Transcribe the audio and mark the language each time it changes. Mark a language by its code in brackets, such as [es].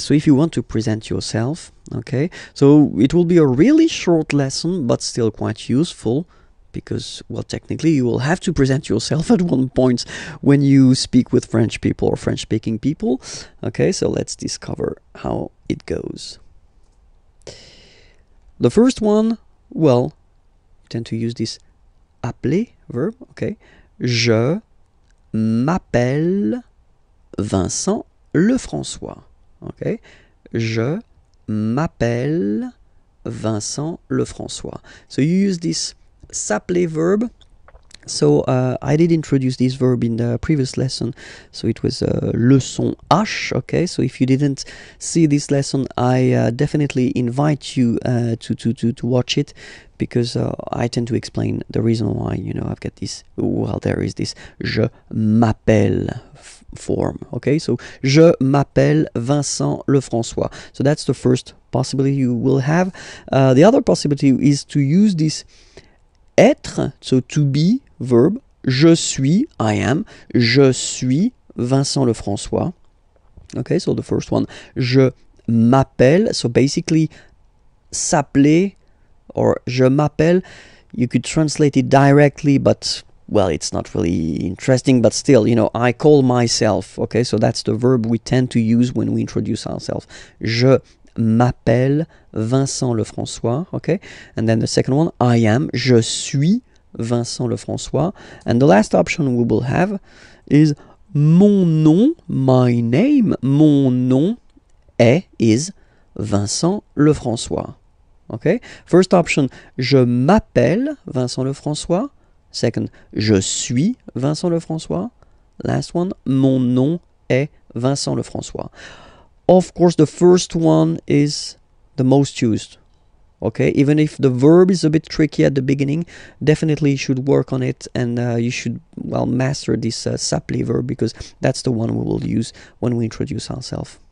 [en] So if you want to present yourself, okay, so it will be a really short lesson, but still quite useful, because, well, technically you will have to present yourself at one point when you speak with French people or French-speaking people. Okay, so let's discover how it goes. The first one, well, you tend to use this appeler verb, okay. [fr] Je m'appelle Vincent Lefrançois. Okay, je m'appelle Vincent Lefrançois. [en] So you use this s'appeler verb. So I did introduce this verb in the previous lesson, so it was leçon H. Okay, so if you didn't see this lesson, I definitely invite you to watch it, because I tend to explain the reason why, you know, I've got this, well, there is this [fr] je m'appelle [en] form. [fr] Okay, so je m'appelle Vincent Lefrançois. [en] So that's the first possibility you will have. The other possibility is to use this être, so to be, verb. [fr] Je suis, [en] I am. [fr] Je suis Vincent Lefrançois. [en] Okay, so the first one. [fr] Je m'appelle. [en] So basically, [fr] s'appeler or je m'appelle. [en] You could translate it directly, but, well, it's not really interesting. But still, you know, I call myself. Okay, so that's the verb we tend to use when we introduce ourselves. [fr] Je m'appelle Vincent Lefrançois, okay? [en] And then the second one, I am, [fr] je suis Vincent Lefrançois. [en] And the last option we will have is mon nom, my name, [fr] mon nom est, [en] is Vincent Lefrançois, okay? First option, [fr] je m'appelle Vincent Lefrançois. Second, je suis Vincent Lefrançois. [en] Last one, [fr] mon nom est Vincent Lefrançois. [en] Of course, the first one is the most used, okay? Even if the verb is a bit tricky at the beginning, definitely you should work on it, and you should, well, master this s'appeler verb, because that's the one we will use when we introduce ourselves.